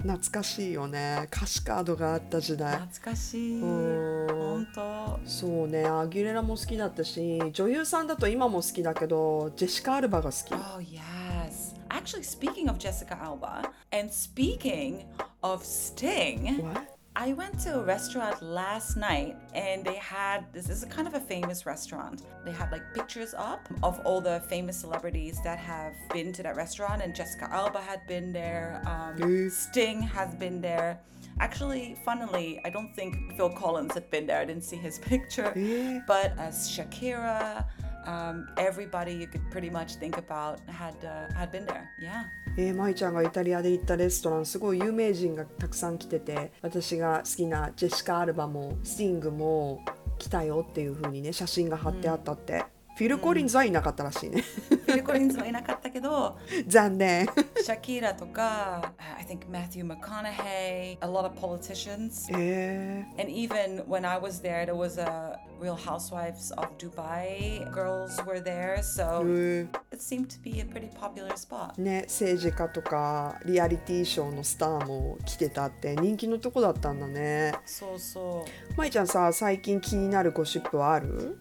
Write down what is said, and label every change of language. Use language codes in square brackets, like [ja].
[ja] 懐かしいよね、歌詞カードがあった時代。懐かしい、うん、本当。そうね、アギレラも好きだったし、女優さんだと今も好きだけど、ジェシカ・アルバが好き。 [en] Oh yes. Actually, speaking of Jessica Alba and speaking of Sting, What? I went to a restaurant last night and they had, this is a kind of a famous restaurant, they had like pictures up of all the famous celebrities that have been to that restaurant, and Jessica Alba had been there, Sting has been there. Actually, funnily, I don't think Phil Collins had been there, I didn't see his picture, but Shakira, everybody you could pretty much think about had been there, yeah. [ja] まいちゃんがイタリアで行ったレストラン、すごい有名人がたくさん来てて、私が好きなジェシカ・アルバもスティングも来たよっていう風にね、写真が貼ってあったって、うん、フィル・コリンズはいなかったらしいね、うん、フィル・コリンズはいなかったけど残念 [en] シャキーラとか I think Matthew McConaughey, a lot of politicians、and even when I was there, there was a Real Housewives of Dubai girls were there, so it seemed to be a pretty popular spot. [ja] ね、政治家とかリアリティショーのスターも来てたって人気のとこだったんだね。そうそう。まいちゃんさ、最近気になるゴシップはある？